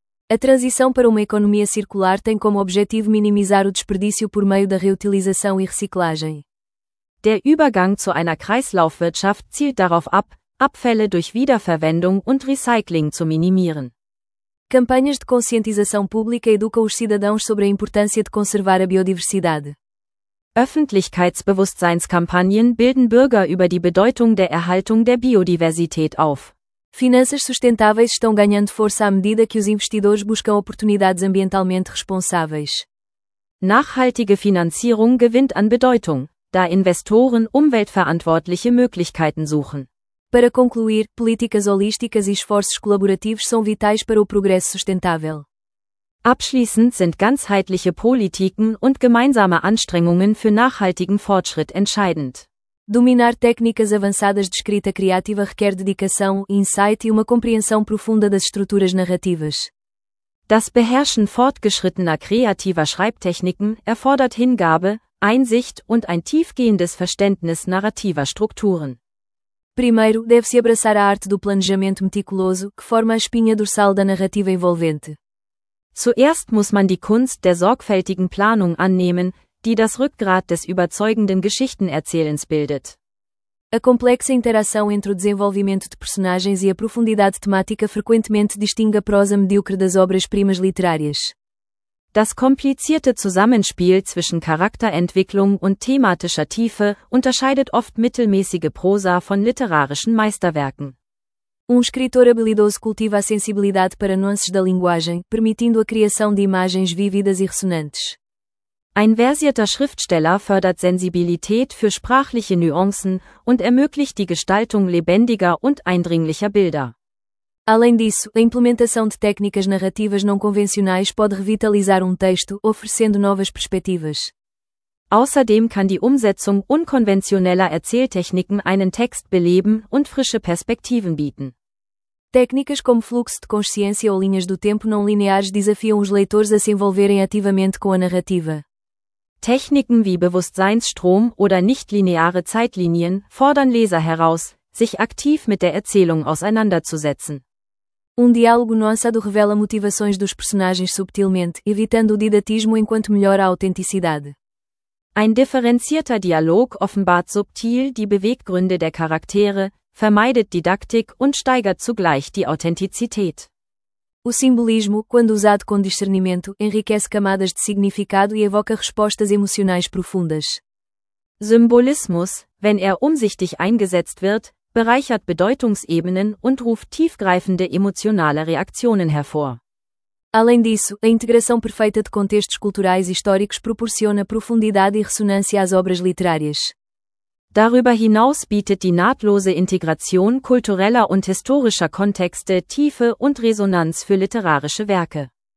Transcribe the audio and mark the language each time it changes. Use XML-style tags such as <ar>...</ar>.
<pt>A transição para uma economia circular tem como objetivo minimizar o desperdício por meio da reutilização e reciclagem.</pt> <de>Der Übergang zu einer Kreislaufwirtschaft zielt darauf ab, Abfälle durch Wiederverwendung und Recycling zu minimieren.</de> <pt>Campanhas de conscientização pública educam os cidadãos sobre a importância de conservar a biodiversidade.</pt> <de>Öffentlichkeitsbewusstseinskampagnen bilden Bürger über die Bedeutung der Erhaltung der Biodiversität auf.</de> <pt>Finanças sustentáveis estão ganhando força à medida que os investidores buscam oportunidades ambientalmente responsáveis.</pt> <de>Nachhaltige Finanzierung gewinnt an Bedeutung, da Investoren umweltverantwortliche Möglichkeiten suchen.</de> <pt>Para concluir, políticas holísticas e esforços colaborativos são vitais para o progresso sustentável.</pt> <de>Abschließend sind ganzheitliche Politiken und gemeinsame Anstrengungen für nachhaltigen Fortschritt entscheidend.</de> <pt>Dominar técnicas avançadas de escrita criativa requer dedicação, insight e uma compreensão profunda das estruturas narrativas.</pt> <de>Das Beherrschen fortgeschrittener kreativer Schreibtechniken erfordert Hingabe, Einsicht und ein tiefgehendes Verständnis narrativer Strukturen.</de> <pt>Primeiro, deve-se abraçar a arte do planejamento meticuloso, que forma a espinha dorsal da narrativa envolvente.</pt> <de>Zuerst muss man die Kunst der sorgfältigen Planung annehmen, die das Rückgrat des überzeugenden Geschichtenerzählens bildet.</de> <pt>A complexa interação entre o desenvolvimento de personagens e a profundidade temática frequentemente distingue a prosa medíocre das obras-primas literárias.</pt> <de>Das komplizierte Zusammenspiel zwischen Charakterentwicklung und thematischer Tiefe unterscheidet oft mittelmäßige Prosa von literarischen Meisterwerken.</de> <pt>Um escritor habilidoso cultiva a sensibilidade para nuances da linguagem, permitindo a criação de imagens vívidas e ressonantes.</pt> <de>Ein versierter Schriftsteller fördert Sensibilität für sprachliche Nuancen und ermöglicht die Gestaltung lebendiger und eindringlicher Bilder.</de> <pt>Além disso, a implementação de técnicas narrativas não convencionais pode revitalizar texto, oferecendo novas perspectivas.</pt> <de>Außerdem kann die Umsetzung unkonventioneller Erzähltechniken einen Text beleben und frische Perspektiven bieten.</de> <pt>Técnicas como fluxo de consciência ou linhas do tempo não lineares desafiam os leitores a se envolverem ativamente com a narrativa.</pt> <de>Techniken wie Bewusstseinsstrom oder nichtlineare Zeitlinien fordern Leser heraus, sich aktiv mit der Erzählung auseinanderzusetzen.</de> <pt>Um diálogo nuançado revela motivações dos personagens subtilmente, evitando o didatismo enquanto melhora a autenticidade.</pt> <de>Ein differenzierter Dialog offenbart subtil die Beweggründe der Charaktere, vermeidet Didaktik und steigert zugleich die Authentizität.</de> <pt>O simbolismo, quando usado com discernimento, enriquece camadas de significado e evoca respostas emocionais profundas.</pt> <de>Symbolismus, wenn er umsichtig eingesetzt wird, bereichert Bedeutungsebenen und ruft tiefgreifende emotionale Reaktionen hervor.</de> <pt>Além disso, a integração perfeita de contextos culturais e históricos proporciona profundidade e ressonância às obras literárias.</pt> <de>Darüber hinaus bietet die nahtlose Integration kultureller und historischer Kontexte Tiefe und Resonanz für literarische Werke.</de>